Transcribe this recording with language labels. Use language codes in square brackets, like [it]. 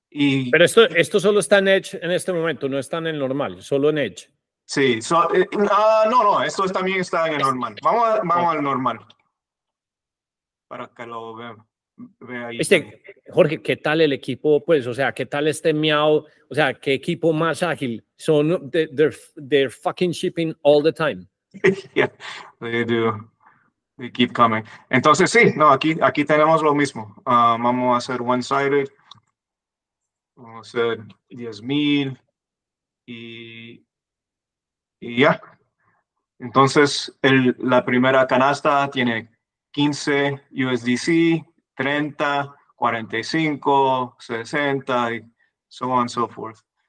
[es] Pero esto solo está en Edge en este momento, no está en el normal, solo en Edge. Sí, no, esto también está en el normal. Vamos al normal. Para que lo vea ahí. Jorge, ¿qué tal el equipo? Pues, o sea, ¿qué tal este Miao? O sea, ¿qué equipo más ágil? [en] Son they're fucking shipping all the time. Yeah, they do. They keep coming. [es] Entonces, sí, no, aquí tenemos lo mismo. Vamos a hacer one-sided. Vamos a hacer 10,000. Y ya. Entonces, la primera canasta tiene 15 USDC, 30, 45, 60, y [en] so on and so forth.